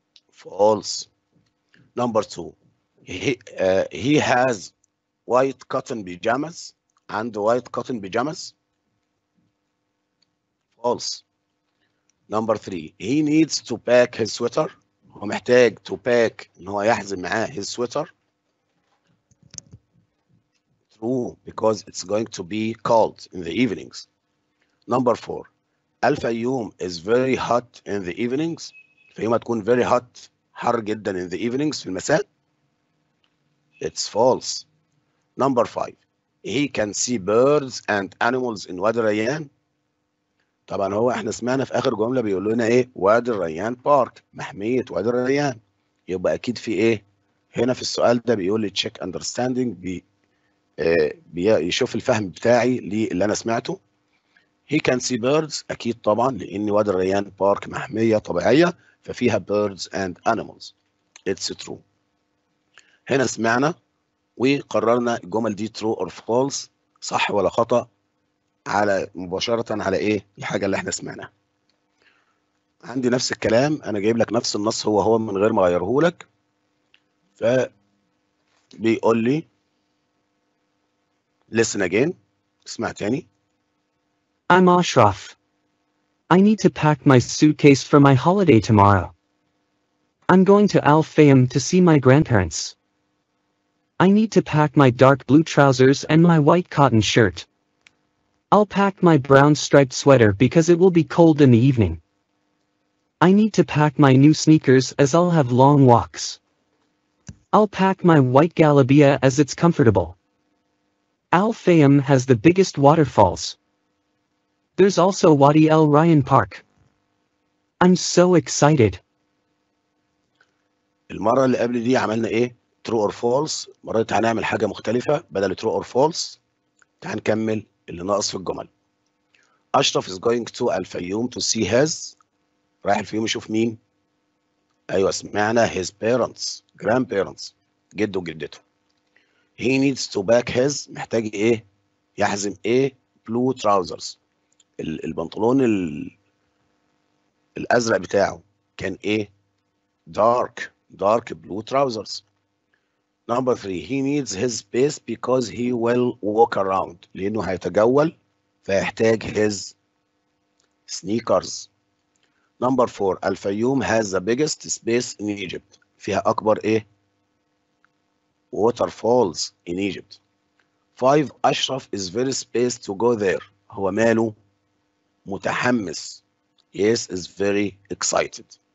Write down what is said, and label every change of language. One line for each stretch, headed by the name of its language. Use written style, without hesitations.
English: False. Number two, he has white cotton pajamas and white cotton pajamas. False. Number three, he needs to pack his sweater.
Arabic: هو محتاج
English: to pack
Arabic: إن هو يحزم معاه
English: his sweater. True, because it's going to be cold in the evenings. Number four, Al-Fayyum is very hot in the evenings.
Arabic: فيما تكون
English: very hot,
Arabic: حر جدا
English: in the evenings
Arabic: في المساء.
English: It's false. Number five, he can see birds and animals in Wadi Rayyan.
Arabic: طبعا هو احنا سمعنا في اخر جملة بيقول لنا ايه؟ وادي الريان بارك، محمية وادي الريان. يبقى اكيد في ايه؟ هنا في السؤال ده بيقول لي check understanding بيشوف الفهم بتاعي للي انا سمعته.
English: He can see birds
Arabic: اكيد طبعا لان وادي الريان بارك محمية طبيعية ففيها
English: birds and animals. It's true.
Arabic: هنا سمعنا وقررنا الجمل دي
English: true or false،
Arabic: صح ولا خطأ؟ على مباشرة على ايه الحاجة اللي احنا سمعناها. عندي نفس الكلام، انا جايب لك نفس النص هو هو من غير ما اغيره لك. فبيقول لي
English: listen again،
Arabic: اسمع تاني.
English: I'm Ashraf. I need to pack my suitcase for my holiday tomorrow. I'm going to Al Fayyum to see my grandparents. I need to pack my dark blue trousers and my white cotton shirt. I'll pack my brown striped sweater because it will be cold in the evening. I need to pack my new sneakers as I'll have long walks. I'll pack my white galabia as it's comfortable. Al Fayyum has the biggest waterfalls. There's also Wadi El Rayyan Park. I'm so excited.
Arabic: المرة اللي قبل دي عملنا ايه؟
English: True or false.
Arabic: المرة دي هنعمل حاجة مختلفة بدل true or false. تعال نكمل اللي ناقص في الجمل. أشرف
English: is going to Al-Fayyum to see his،
Arabic: رايح الفيوم يشوف مين؟ أيوة سمعنا
English: his parents، grandparents،
Arabic: جده وجدته.
English: He needs to pack his،
Arabic: محتاج إيه؟ يحزم إيه؟
English: blue trousers،
Arabic: البنطلون الأزرق بتاعه كان إيه؟
English: dark blue trousers. Number three, he needs his space because he will walk around.
Arabic: لأنه هيتجول فيحتاج
English: his sneakers. Number four, Al-Fayyum has the biggest space in Egypt.
Arabic: فيها أكبر إيه؟
English: Waterfalls in Egypt. Five, Ashraf is very spaced to go there.
Arabic: هو ماله؟ متحمس.
English: Yes, is very excited.